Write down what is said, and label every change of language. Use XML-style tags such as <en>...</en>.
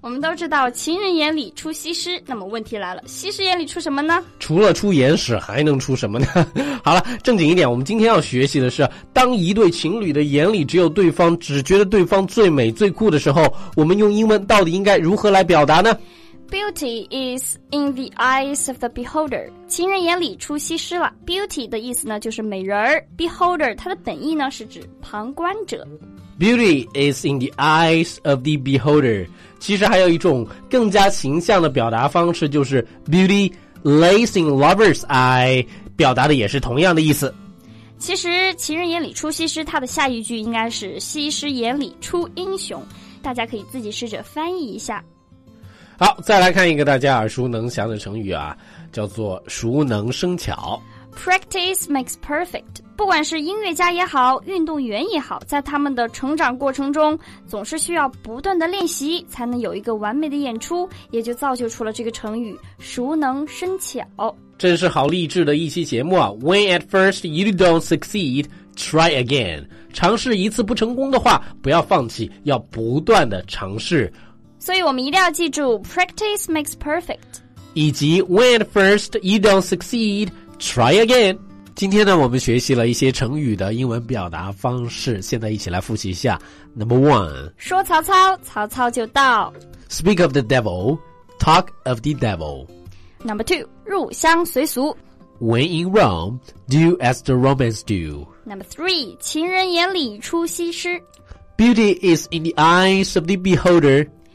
<zh>我们都知道情人眼里出西施，那么问题来了，西施眼里出什么呢？除了出眼屎还能出什么呢？好了，正经一点，我们今天要学习的是，当一对情侣的眼里只有对方，只觉得对方最美最酷的时候，我们用英文到底应该如何来表达呢？</zh> <en>Beauty is in the eyes of the beholder.</en> <zh>情人眼里出西施了。Beauty 的意思呢就是美人儿。 Beholder 它的本意呢是指旁观者。</zh> <en>Beauty is in the eyes of the beholder.</en> <zh>其实还有一种更加形象的表达方式，就是</zh> <en>Beauty lays in lover's eye,</en> <zh>表达的也是同样的意思。其实情人眼里出西施，它的下一句应该是西施眼里出英雄，大家可以自己试着翻译一下。好，再来看一个大家耳熟能详的成语啊，叫做熟能生巧。</zh> <en>Practice makes perfect.</en> <zh>不管是音乐家也好，运动员也好，在他们的成长过程中总是需要不断的练习才能有一个完美的演出，也就造就出了这个成语熟能生巧。真是好励志的一期节目啊。</zh> <en>When at first you don't succeed, try again.</en> <zh>尝试一次不成功的话不要放弃，要不断的尝试。所以我们一定要记住</zh> <en>Practice makes perfect,</en> <zh>以及</zh> <en>When at first you don't succeed,Try again.</en> <zh>今天呢，我们学习了一些成语的英文表达方式，现在一起来复习一下。</zh> <en>Number one,</en> <zh>说曹操曹操就到。</zh> <en>Speak of the devil, talk of the devil. Number two,</en> <zh>入乡随俗。</zh> <en>When in Rome, do as the Romans do. Number three,</en> <zh>情人眼里出西施。</zh> <en>Beauty is in the eyes of the beholder.</en>